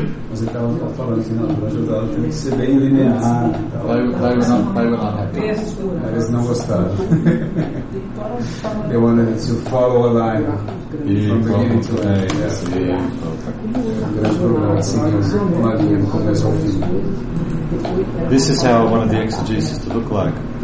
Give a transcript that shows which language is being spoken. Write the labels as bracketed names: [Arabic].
[Portuguese] Mas ele estava falando assim, não, para ajudar, tem que ser bem linear. Eles não gostaram. [English] They wanted to follow a line from beginning to end. Yes. [Portuguese] Um grande problema, seguir uma linha do começo ao fim. [English] This is how one of the exegeses to look like.